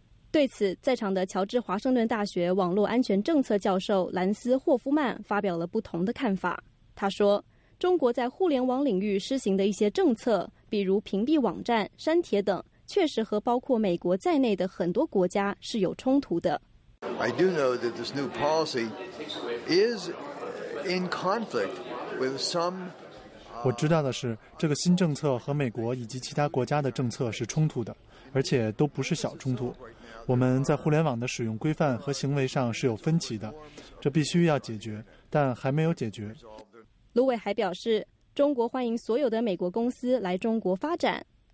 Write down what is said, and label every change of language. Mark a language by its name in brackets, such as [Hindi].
[Chinese] 对此，在场的乔治华盛顿大学网络安全政策教授兰斯·霍夫曼发表了不同的看法。他说，中国在互联网领域施行的一些政策，比如屏蔽网站、删帖等，确实和包括美国在内的很多国家是有冲突的。 [English] I do know that this new policy is in conflict with some. [Chinese] 我知道的是，这个新政策和美国以及其他国家的政策是冲突的，而且都不是小冲突。我们在互联网的使用规范和行为上是有分歧的，这必须要解决，但还没有解决。卢伟还表示，中国欢迎所有的美国公司来中国发展。